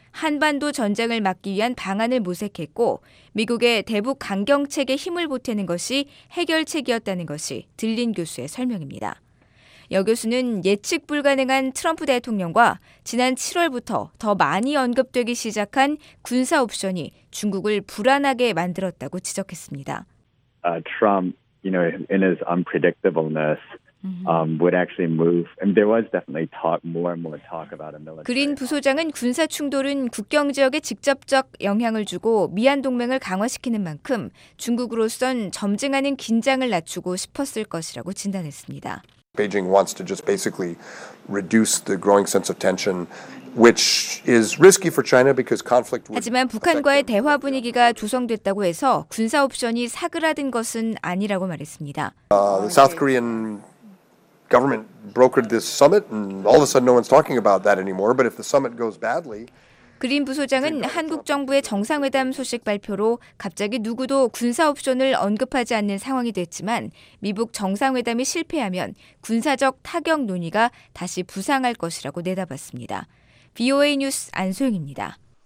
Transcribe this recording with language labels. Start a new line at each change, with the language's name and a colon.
Korean: 한반도 전쟁을 막기 위한 방안을 모색했고 미국의 대북 강경 책에 힘을 보태는 것이 해결책이었다는 것이 들린 교수의 설명입니다. 여 교수는 예측 불가능한 트럼프 대통령과 지난 7월부터 더 많이 언급되기 시작한 군사 옵션이 중국을 불안하게 만들었다고 지적했습니다.
English: Trump, you know, in his unpredictableness, would actually move. And there was definitely talk, more and more talk about a military.
Korean: 그린 부소장은 군사 충돌은 국경 지역에 직접적 영향을 주고 미한 동맹을 강화시키는 만큼 중국으로선 점증하는 긴장을 낮추고 싶었을 것이라고 진단했습니다.
English: Beijing wants to just basically reduce the growing sense of tension, which is risky for China because conflict.
Korean: 하지만 북한과의 대화 분위기가 조성됐다고 해서 군사 옵션이 사그라든 것은 아니라고 말했습니다.
English: The South Korean government brokered this summit, and all of a sudden, no one's talking about that anymore. But if the summit goes badly.
Korean: 그린 부소장은 한국 정부의 정상회담 소식 발표로 갑자기 누구도 군사 옵션을 언급하지 않는 상황이 됐지만 미국 정상회담이 실패하면 군사적 타격 논의가 다시 부상할 것이라고 내다봤습니다. VOA 뉴스 안소영입니다.